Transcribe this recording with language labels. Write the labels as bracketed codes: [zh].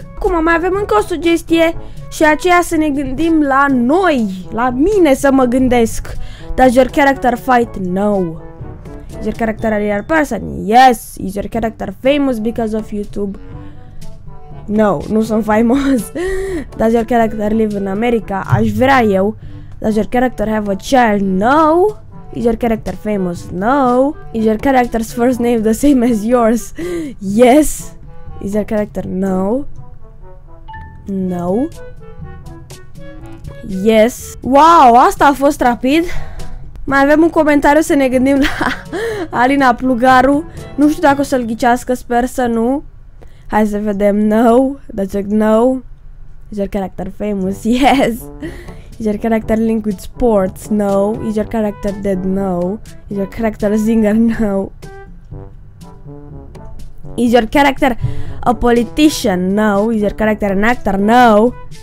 [ro] Acum mai avem încă o sugestie și aceea să ne gândim la noi, la mine să mă gândesc. [en] Does your character fight? No. Is your character a real person? Yes. Is your character famous because of YouTube? No, [ro] nu sunt faimos. [en] Does your character live in America? [ro] Aș vrea eu. [en] Does your character have a child? No. Is your character famous? No. Is your character's first name the same as yours? Yes. Is your character? No. No. Yes. [ro] Wow, asta a fost rapid. Mai avem un comentariu să ne gândim la Alina Plugaru. Nu știu dacă o să-l ghicească, sper să nu. Hai să vedem. [en] No. That's like no. Is your character famous? Yes. Is your character linked with sports? No. Is your character dead? No. Is your character a singer? No. Is your character a politician? No. Is your character an actor? No.